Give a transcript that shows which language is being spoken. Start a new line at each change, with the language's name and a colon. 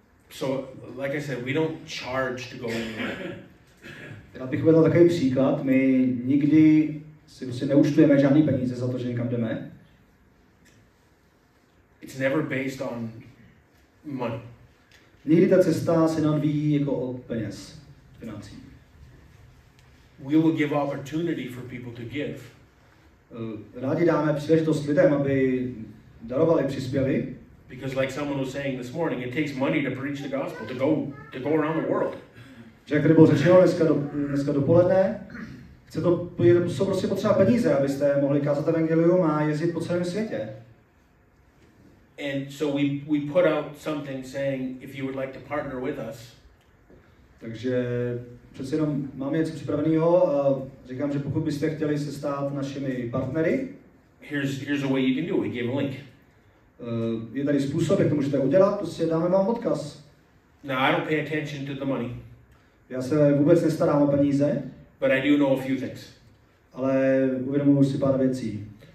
English: So, like I said, we don't charge to go anywhere.
Czech: Já bych uvedl takový příklad. My nikdy si prostě neúčtujeme žádný peníze za to, že někam jdeme.
English: It's never based on money.
Czech: Nikdy ta cesta se neodvíjí jako o peněz, financí.
English: We will give opportunity for people to give.
Czech: Rádi dáme příležitost lidem, aby darovali, přispěli.
English: Because like someone was saying this morning, it takes money to preach the gospel, to go around the world.
Czech: Jak tady bylo řečeno dneska dopoledne, jsou prostě potřeba peníze, abyste mohli kázat evangelium a jezdit po celém světě.
English: And so we put out something saying if you would like to partner with us.
Czech: Takže přece jenom máme něco připraveného a říkám, že pokud byste chtěli se stát našimi partnery.
English: Here's a way you can do it. We give a link.
Czech: Je tady způsob, jak to můžete udělat, prostě dáme vám odkaz.
English: Now I don't pay attention to the money.
Czech: Já se vůbec nestarám o peníze.
English: But I do know a few things.
Czech: Ale uvědomuji si pár věcí.